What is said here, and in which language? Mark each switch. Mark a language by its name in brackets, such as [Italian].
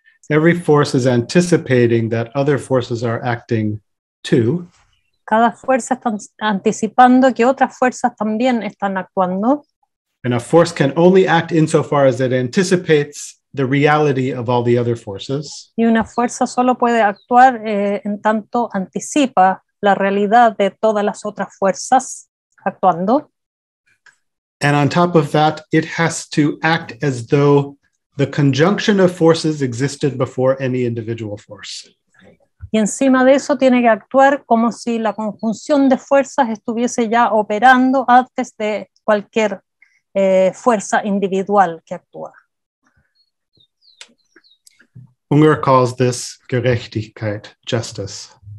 [English] Every force is anticipating that other forces are acting too. [Spanish] Cada fuerza está anticipando que otras fuerzas también están actuando. [English] And a force can only act insofar as it anticipates the reality of all the other forces. [Spanish] Y una fuerza solo puede actuar en tanto anticipa la realidad de todas las otras fuerzas actuando. [English] And on top of that, it has to act as though the conjunction of forces existed before any individual force. [Spanish] Y encima de eso tiene que actuar como si la conjunción de fuerzas estuviese ya operando antes de cualquier fuerza individual que actúa. [English] Unger calls this Gerechtigkeit, justice.